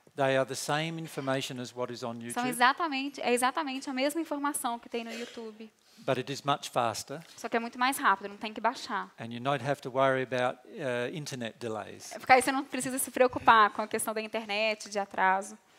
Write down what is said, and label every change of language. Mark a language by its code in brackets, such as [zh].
[en] They are the same information as what is on YouTube. [pt] São exatamente a mesma informação que tem no YouTube. [en] But it is much faster. [pt] Só que é muito mais rápido, não tem que baixar. [en] And you don't have to worry about internet delays. [pt] Porque aí você não precisa se preocupar com a questão da internet, de atraso.